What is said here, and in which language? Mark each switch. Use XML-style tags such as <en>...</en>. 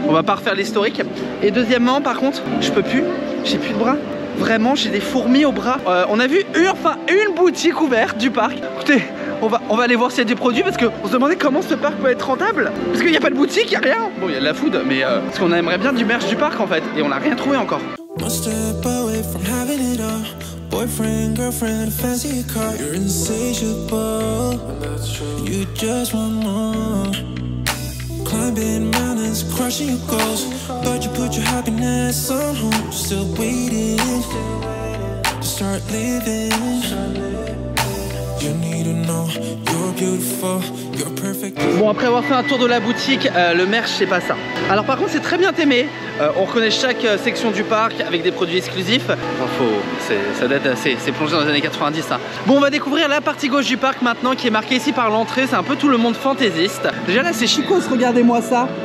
<fr>On va pas refaire l'historique. Et deuxièmement, par contre, je peux plus. J'ai plus de bras. Vraiment, j'ai des fourmis au bras. On a vu une boutique ouverte du parc. Écoutez. On va aller voir s'il y a des produits parce qu'on se demandait comment ce parc peut être rentable. Parce qu'il n'y a pas de boutique, il n'y a rien. Bon, il y a de la food, mais parce qu'on aimerait bien du merch du parc en fait. Et on n'a rien trouvé encore.</fr> <en>One step away from having it all. Boyfriend, girlfriend, fancy car. You're insatiable. You just want more. Climbing mountains, crushing your goals. But you put your happiness on hold. Still waiting. Start living. You need to know you're beautiful, you're perfect.</en> <fr>Bon, après avoir fait un tour de la boutique, le merch c'est pas ça. Alors par contre c'est très bien thémé. On reconnaît chaque section du parc avec des produits exclusifs. Enfin, c'est plongé dans les années 90 ça. Bon, on va découvrir la partie gauche du parc maintenant qui est marquée ici par l'entrée. C'est un peu tout le monde fantaisiste. Déjà là c'est chicos, regardez-moi ça.</fr>